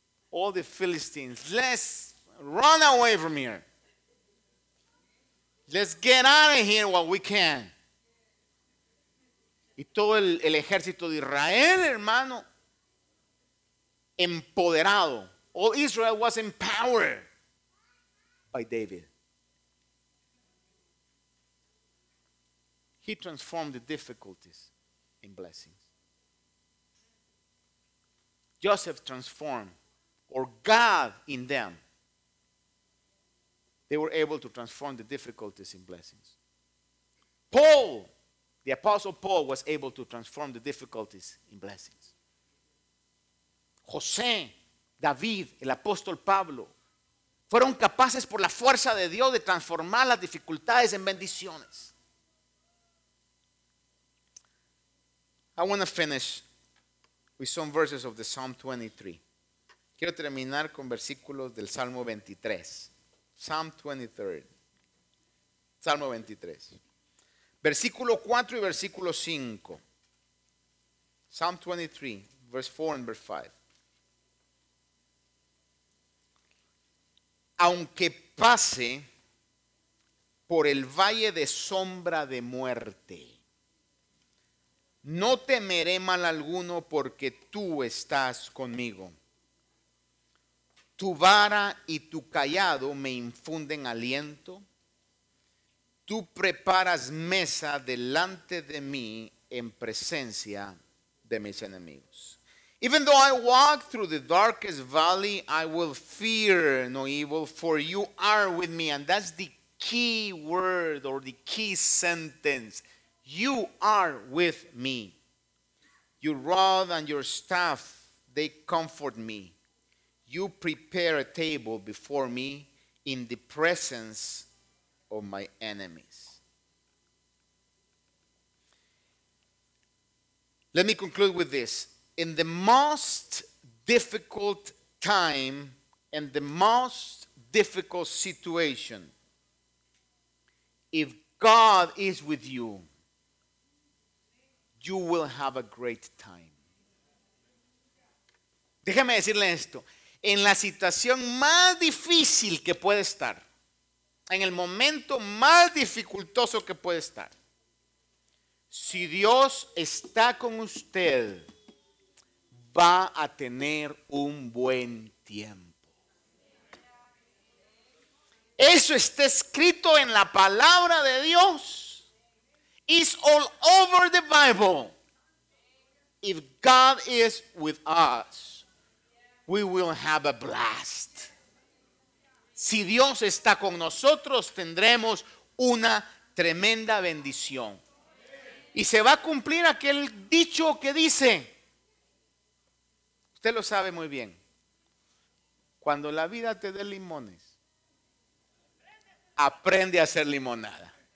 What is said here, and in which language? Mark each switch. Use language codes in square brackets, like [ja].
[en] All the Philistines, let's run away from here. Let's get out of here while we can. [es] Y todo el ejército de Israel, hermano, empoderado. [en] All Israel was empowered by David. He transformed the difficulties in blessings. Joseph transformed, or God in them, they were able to transform the difficulties in blessings. Paul, the apostle Paul, was able to transform the difficulties in blessings. [es] José, David, el apóstol Pablo, fueron capaces por la fuerza de Dios de transformar las dificultades en bendiciones. [en] I want to finish with some verses of the Psalm 23. [es] Quiero terminar con versículos del Salmo 23. [en] Psalm 23. Salmo 23. [es] Versículo 4 y versículo 5. [en] Psalm 23, verse 4 and verse 5. [es] Aunque pase por el valle de sombra de muerte, no temeré mal alguno porque tú estás conmigo. Tu vara y tu cayado me infunden aliento. Tú preparas mesa delante de mí en presencia de mis enemigos. [en] Even though I walk through the darkest valley, I will fear no evil, for you are with me. And that's the key word or the key sentence. You are with me. Your rod and your staff, they comfort me. You prepare a table before me in the presence of my enemies. Let me conclude with this. In the most difficult time and the most difficult situation, if God is with you, you will have a great time. [es] Déjame decirle esto. En la situación más difícil que puede estar, en el momento más dificultoso que puede estar, si Dios está con usted, va a tener un buen tiempo. Eso está escrito en la palabra de Dios. [en] It's all over the Bible. If God is with us, we will have a blast. [es] Si Dios está con nosotros, tendremos una tremenda bendición. Y se va a cumplir aquel dicho que dice, usted lo sabe muy bien, cuando la vida te dé limones, aprende a hacer limonada.